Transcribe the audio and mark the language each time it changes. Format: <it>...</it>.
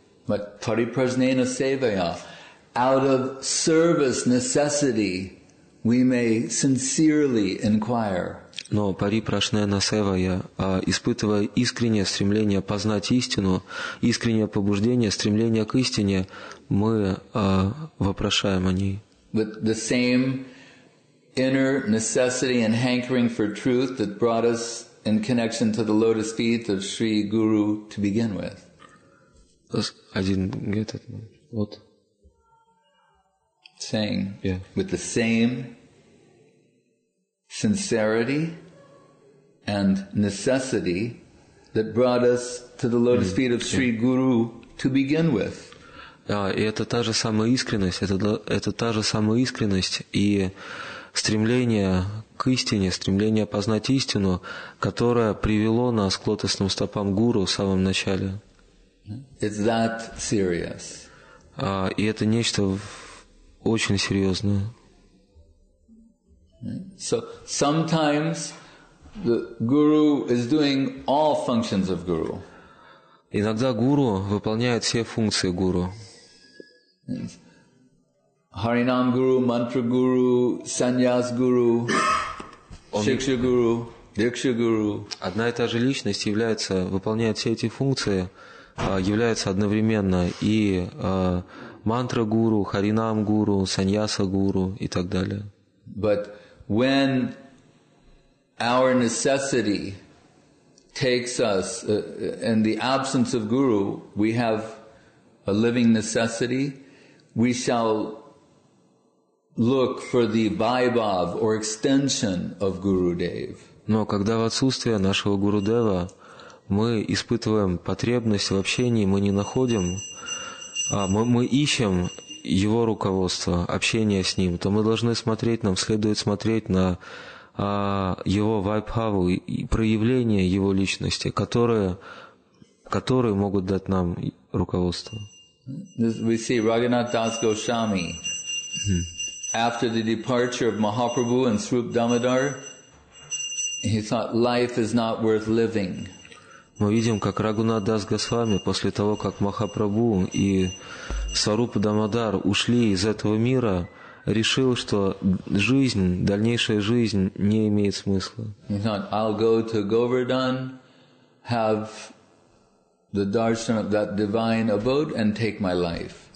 <en>But</en> <sa>paripraznena sevaya,</sa> <en>out of service necessity, we may sincerely inquire.</en> <ru>Но</ru> <sa>парипрашнена севая,</sa> <ru>испытывая искреннее стремление познать истину, искреннее побуждение, стремление к истине, мы вопрошаем о ней.</ru> <en>With the same inner necessity and hankering for truth that brought us in connection to the lotus feet of Sri Guru to begin with. I didn't get it. What? Saying. Yeah. With the same sincerity and necessity that brought us to the lotus feet of Sri Guru to begin with.</en> <ru>И это та же самая искренность, это та же самая искренность и стремление к истине, стремление познать истину, которое привело нас к лотосным стопам Гуру в самом начале.</ru> <en>It's that serious.</en> <ru>И это нечто очень серьезное.</ru> <en>So sometimes the guru is doing all functions of guru.</en> <ru>Иногда гуру выполняет все функции гуру. Харинам гуру, мантра гуру, саньяс гуру, шикша гуру, дикша гуру. Одна и та же личность является, выполняет все эти функции, является одновременно и мантра гуру, харинам гуру, саньяса гуру и так далее.</ru> <en>But when our necessity takes us, in the absence of guru, we have a living necessity, we shall look for the vaibhav or extension of Gurudev.</en> <ru>Но когда в отсутствие нашего Гурудева мы испытываем потребность в общении, мы не находим, мы ищем его руководство, общение с ним, то мы должны смотреть, нам следует смотреть на его вайбхаву, проявление его личности, которые могут дать нам руководство.</ru> <en>We see Raghunath Das Goswami. After the departure of Mahaprabhu and Srup Damodar, he thought life is not worth living.</en> <ru>Мы видим, как Рагунат Дас Госвами после того, как Махапрабху и Сварупа Дамодар ушли из этого мира, решил, что жизнь, дальнейшая жизнь не имеет смысла.</ru> <en>He thought, I'll go to Govardhan, have the darshan of that divine abode and take my life.</en>